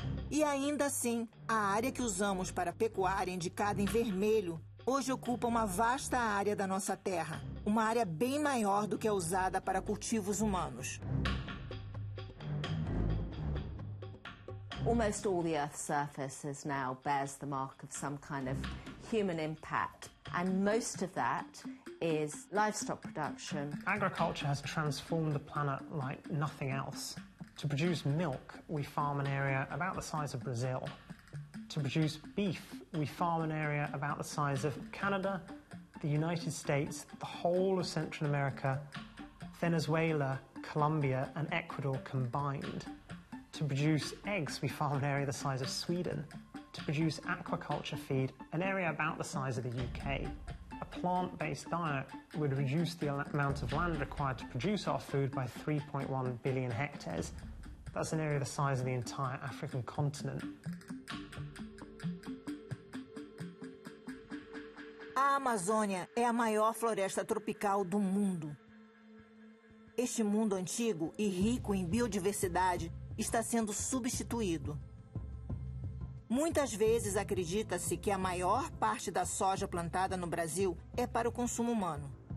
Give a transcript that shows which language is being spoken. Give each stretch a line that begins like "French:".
Portuguese: E ainda assim, a área que usamos para pecuária, indicada em vermelho, hoje ocupa uma vasta área da nossa terra, uma área bem maior do que a usada para cultivos humanos.
English: Almost all the Earth's surface is now bears the mark of some kind of human impact, and most of that is livestock production. Agriculture has transformed the planet like nothing else. To produce milk, we farm an area about the size of Brazil. To produce beef, we farm an area about the size of Canada, the United States, the whole of Central America, Venezuela, Colombia, and Ecuador combined. To produce eggs, we farm an area the size of Sweden. To produce aquaculture feed, an area about the size of the UK. A plant-based diet would reduce the amount of land required to produce our food by 3.1 billion hectares. That's an area the size of the entire African continent.
Portuguese: A Amazônia é a maior floresta tropical do mundo. Este mundo antigo e rico em biodiversidade está sendo substituído. Muitas vezes acredita-se que a maior parte da soja plantada no Brasil é para o consumo humano.